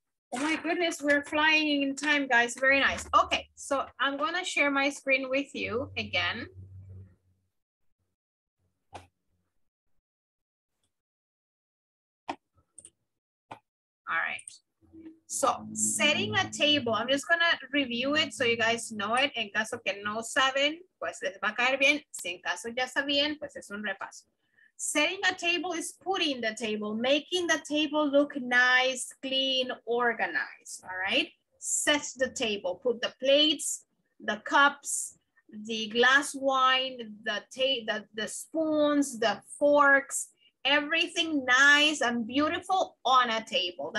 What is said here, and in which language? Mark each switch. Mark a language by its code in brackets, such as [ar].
[en] Oh my goodness, we're flying in time, guys. Very nice. Okay, so I'm gonna share my screen with you again. All right. So setting a table, I'm just gonna review it so you guys know it. [es] En caso que no saben, pues les va a caer bien. Si en caso ya sabían, pues es un repaso. [en] Setting a table is putting the table, making the table look nice, clean, organized, all right? Set the table, put the plates, the cups, the glass wine, the spoons, the forks, everything nice and beautiful on a table.